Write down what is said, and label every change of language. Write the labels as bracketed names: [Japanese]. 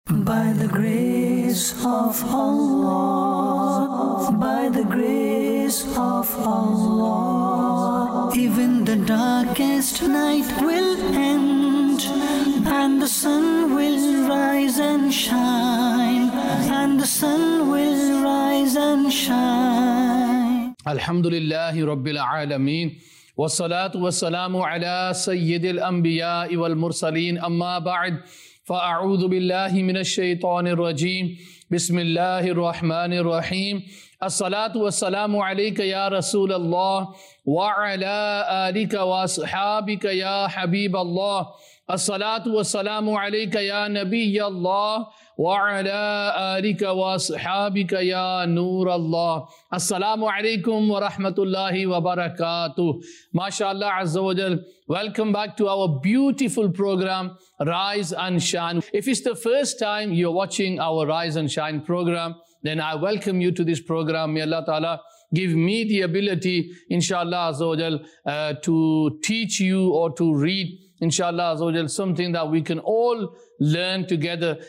[English] By the grace of Allah, by the grace of Allah, even the darkest night will end, and the sun will rise and shine, and the sun will rise and shine. [Arabic] Alhamdulillahi Rabbil Alameen. والصلاة والسلام على سيد الأنبياء والمرسلين أما بعد فأعوذ بالله من الشيطان الرجيم بسم الله الرحمن الرحيم الصلاة والسلام عليك يا رسول الله وعلى آلك وأصحابك يا حبيب الله الصلاة والسلام عليك يا نبي الله وعلى آلك وأصحابك يا نور الله السلام عليكم ورحمة الله وبركاته ما شاء الله عز وجل [English] Welcome back to our beautiful program, Rise and Shine. If it's the first time you're watching our Rise and Shine program, then I welcome you to this program. May Allah Ta'ala give me the ability, inshallah, azawajal, to teach you or to read, inshallah, azawajal, something that we can all learn together.